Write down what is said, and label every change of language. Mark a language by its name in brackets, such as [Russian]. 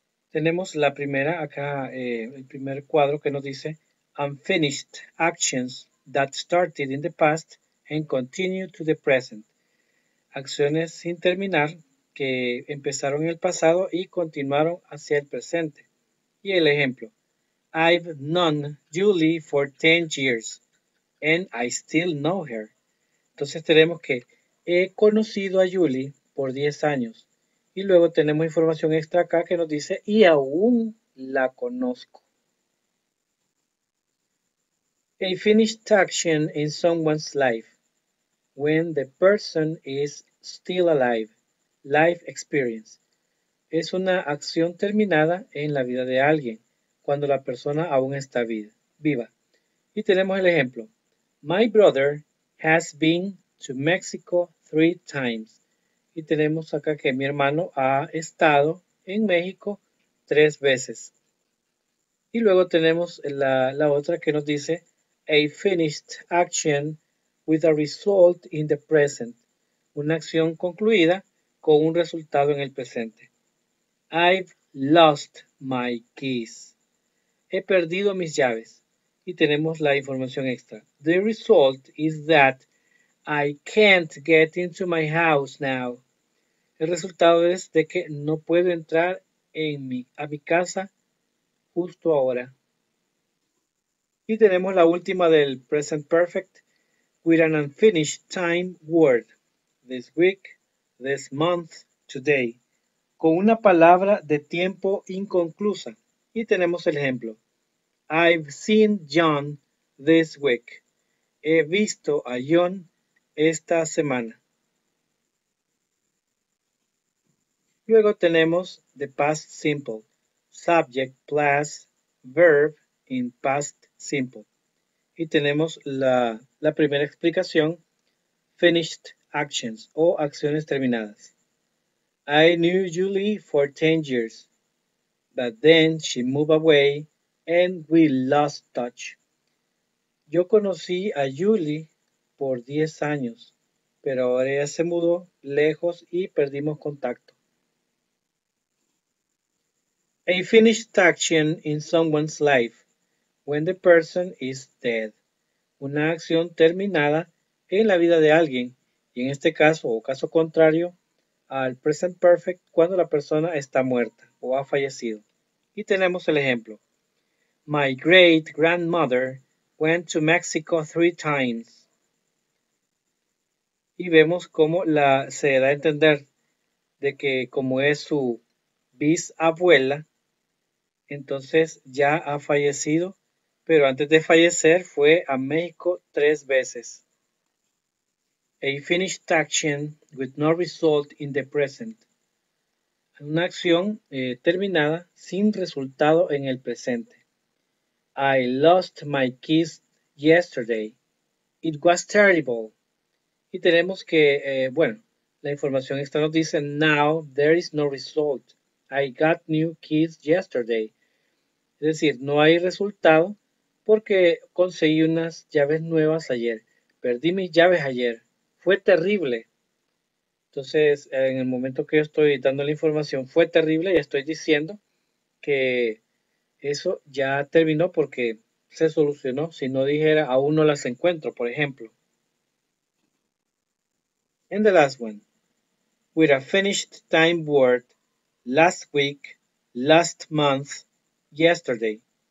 [Spanish] Tenemos la primera acá, el primer cuadro que nos dice [English] unfinished actions that started in the past and continue to the present. [Spanish] Acciones sin terminar que empezaron en el pasado y continuaron hacia el presente. Y el ejemplo. [English] I've known Julie for 10 years and I still know her. [Spanish] Entonces tenemos que he conocido a Julie por 10 años. Y luego tenemos información extra acá que nos dice y aún la conozco. [English] A finished action in someone's life. When the person is still alive, life experience. [Spanish] Es una acción terminada en la vida de alguien, cuando la persona aún está viva. Y tenemos el ejemplo. [English] My brother has been to Mexico 3 times. [Spanish] Y tenemos acá que mi hermano ha estado en México 3 veces. Y luego tenemos la otra que nos dice, [English] a finished action with a result in the present. [Spanish] Una acción concluida con un resultado en el presente. [English] I've lost my keys. [Spanish] He perdido mis llaves. Y tenemos la información extra. [English] The result is that I can't get into my house now. [Spanish] El resultado es de que no puedo entrar a mi casa justo ahora. Y tenemos la última del present perfect. [English] With an unfinished time word. This week, this month, today. [Spanish] Con una palabra de tiempo inconclusa. Y tenemos el ejemplo. [English] I've seen John this week. [Spanish] He visto a John esta semana. Luego tenemos [English] the past simple. Subject plus verb in past simple. [Spanish] Y tenemos la primera explicación. [English] Finished actions [Spanish] o acciones terminadas. [English] I knew Julie for 10 years, but then she moved away and we lost touch. [Spanish] Yo conocí a Julie por 10 años, pero ahora ella se mudó lejos y perdimos contacto. [English] A finished action in someone's life when the person is dead. [Spanish] Una acción terminada en la vida de alguien. Y en este caso, o caso contrario, al present perfect, cuando la persona está muerta o ha fallecido. Y tenemos el ejemplo. [English] My great grandmother Went to Mexico 3 times. [Spanish] Y vemos cómo la, se da a entender de que como es su bisabuela, entonces ya ha fallecido, pero antes de fallecer fue a México 3 veces. [English] A finished action with no result in the present. [Spanish] Una acción terminada sin resultado en el presente. [English] I lost my keys yesterday. It was terrible. [Spanish] Y tenemos que, bueno, la información esta nos dice, [English] now there is no result. I got new keys yesterday. [Spanish] Es decir, no hay resultado porque conseguí unas llaves nuevas ayer. Perdí mis llaves ayer. Fue terrible. Entonces, en el momento que yo estoy dando la información, fue terrible y estoy diciendo que eso ya terminó porque se solucionó. Si no dijera, aún no las encuentro, por ejemplo. [English] And the last one. With a finished time word, last week, last month, yesterday.